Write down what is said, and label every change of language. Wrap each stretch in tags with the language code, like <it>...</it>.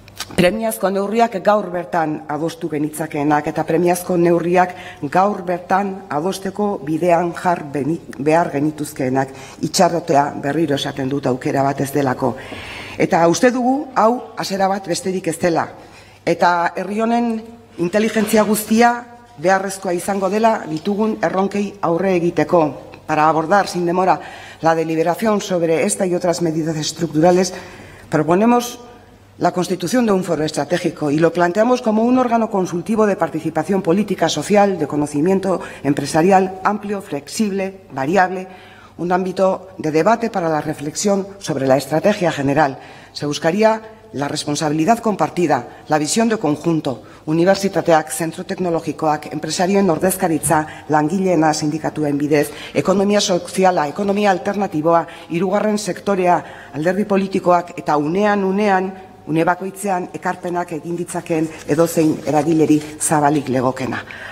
<eu>Premiazko neurriak gaur bertan adostu genitzakeenak eta premiazko neurriak gaur bertan adosteko bidean jar behar genituzkeenak, itxarrotea berriro esaten dut aukera bat ez delako. Eta uste dugu hau hasera bat besterik ez dela. Eta herri honen inteligentzia guztia beharrezkoa izango dela ditugun erronkei aurre egiteko.</eu> <es>Para abordar sin demora la deliberación sobre esta y otras medidas estructurales, proponemos la constitución de un foro estratégico y lo planteamos como un órgano consultivo de participación política, social, de conocimiento empresarial, amplio, flexible, variable, un ámbito de debate para la reflexión sobre la estrategia general. Se buscaría La responsabilidad compartida, la visión de conjunto,</es> <eu>unibertsitateak, zentro teknologikoak, empresarioen ordezkaritza, langileena sindikatuen bidez, ekonomia soziala, ekonomia alternatiboa, hirugarren sektorea, alderdi politikoak eta unean, une bakoitzean ekarpenak egin ditzakeen edozein eragileri zabalik legokena.</eu>